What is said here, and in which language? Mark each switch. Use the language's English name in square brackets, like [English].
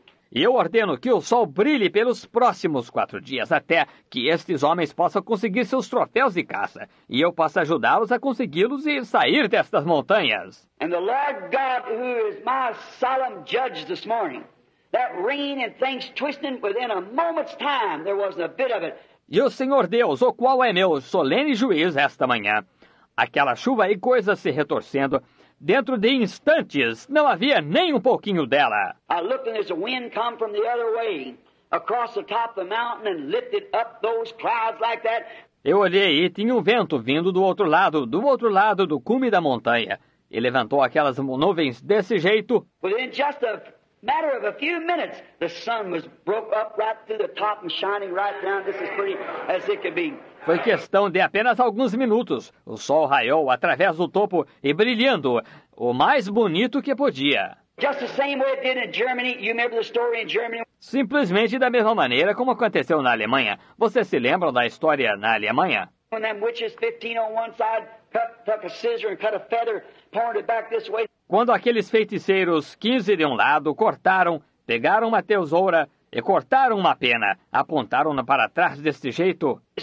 [Portuguese] E eu ordeno que o sol brilhe pelos próximos 4 dias, até que estes homens possam conseguir seus troféus de caça, e eu possa ajudá-los a consegui-los e sair destas montanhas. [English] And the Lord God, who is my solemn judge this morning, that rain and things twisting within a moment's time, there wasn't a bit of it. [Portuguese] E o Senhor Deus, o qual é meu solene juiz esta manhã, aquela chuva e coisas se retorcendo, dentro de instantes, não havia nem um pouquinho dela. [English] I looked and there's a wind come from the other way, across the top of the mountain and lifted up those clouds like that. [Portuguese] Eu olhei e tinha um vento vindo do outro lado do cume da montanha. E levantou aquelas nuvens desse jeito. [English] Within just a matter of a few minutes, the sun was broke up right through the top and shining right down. This is pretty as it could be. [Portuguese] Foi questão de apenas alguns minutos. O sol raiou através do topo e brilhando o mais bonito que podia. [English] Just the same way it did in Germany. You remember the story in Germany? [Portuguese] Simplesmente da mesma maneira como aconteceu na Alemanha. Vocês se lembram da história na Alemanha? [English] When them witches 15 on one side took a scissor and cut a feather, pointed back this way. [Portuguese] Quando aqueles feiticeiros 15 de um lado cortaram, pegaram uma tesoura e cortaram uma pena, apontaram-na para trás deste jeito.